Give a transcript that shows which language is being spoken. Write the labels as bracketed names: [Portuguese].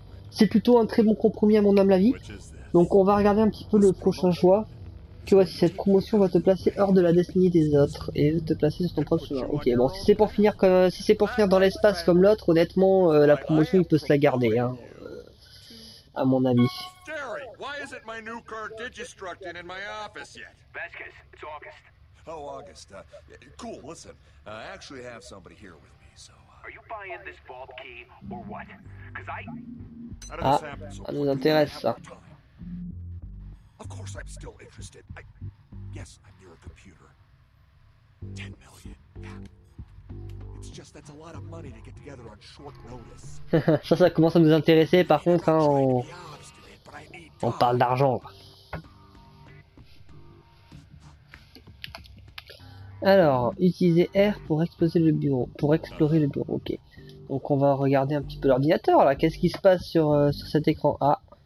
[French] C'est plutôt un très bon compromis à mon humble avis. Donc on va regarder un petit peu le prochain choix. Tu vois, si cette promotion va te placer hors de la destinée des autres et te placer sur ton propre chemin. Ok, bon, si c'est pour finir dans l'espace comme l'autre, honnêtement, la promotion, il peut se la garder, hein. À mon avis. [English] Jerry, why isn't my new car digistructed in my office yet? Vasquez, it's August. Oh, August. Cool, listen. I actually have somebody here with me, so... Are you buying this vault key or what? Because I... [French] Ah, ça nous intéresse, ça. [English] Of course I'm still interested. Yes, I'm near a computer. 10 million. Yeah. It's just that's a lot of money to get together on short notice. [French] ça commence à nous intéresser par contre, hein, on parle d'argent. Alors, utiliser R pour exploser le bureau, pour explorer le bureau. OK. Donc on va regarder un petit peu l'ordinateur là, qu'est-ce qui se passe sur cet écran? Ah.